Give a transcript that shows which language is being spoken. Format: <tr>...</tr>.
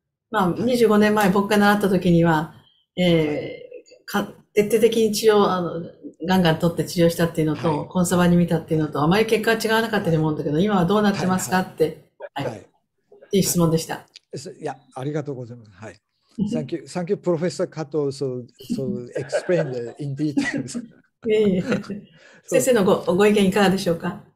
<ja>まあ、25年前僕が習った時には、徹底的に治療、ガンガン取って治療したっていうのと、コンサバに見たっていうのと、あまり結果は違わなかったと思うんだけど、今はどうなってますかって。はい、いい質問でした。いや、ありがとうございます。はい。</ja> <en>Thank you, Professor Kato, so explain in details.</en> <ja>先生のご意見いかがでしょうか。</ja>